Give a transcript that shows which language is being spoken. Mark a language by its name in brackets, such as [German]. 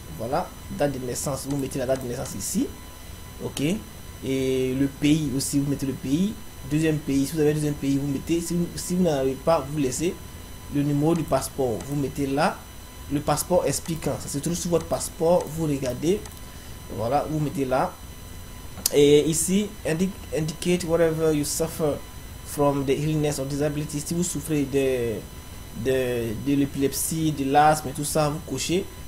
[French] Voilà, date de naissance, vous mettez la date de naissance ici. Ok. Et le pays aussi, vous mettez le pays. Deuxième pays, si vous avez un deuxième pays, vous mettez. Si vous n'avez pas, vous laissez. Le numéro du passeport, vous mettez là. Le passeport expliquant, ça se trouve sur votre passeport, vous regardez. Voilà, vous mettez là. Et ici, [English] indicate whatever you suffer from the illness or disability. [French] Si vous souffrez de l'épilepsie, de l'asthme et tout ça, vous cochez.